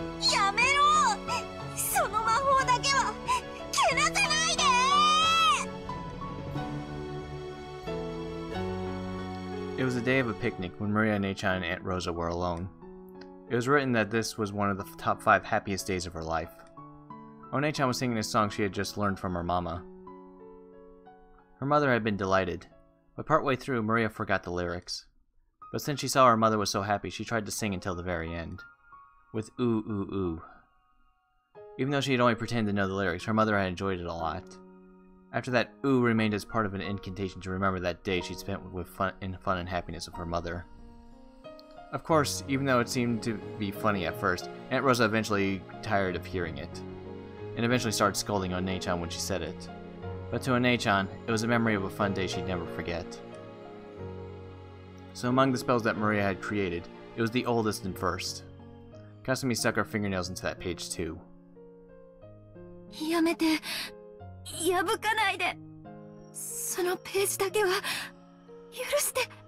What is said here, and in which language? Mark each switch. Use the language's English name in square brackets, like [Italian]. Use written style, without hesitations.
[Japanese] やめろ、その魔法だけはけなさないで。 [English] It was a day of a picnic when Maria Onei-chan and Aunt Rosa were alone. It was written that this was one of the top five happiest days of her life. Onei-chan was singing a song she had just learned from her mama. Her mother had been delighted, but partway through, Maria forgot the lyrics. But since she saw her mother was so happy, she tried to sing until the very end, with ooh ooh ooh. Even though she had only pretended to know the lyrics, her mother had enjoyed it a lot. After that, ooh remained as part of an incantation to remember that day she'd spent with fun and happiness of her mother. Of course, even though it seemed to be funny at first, Aunt Rosa eventually tired of hearing it, and eventually started scolding Onei-chan when she said it. But to Onei-chan, it was a memory of a fun day she'd never forget. So among the spells that Maria had created, it was the oldest and first. Kasumi stuck her fingernails into that page too. [Japanese] やめて、破かないで。そのページだけは許して。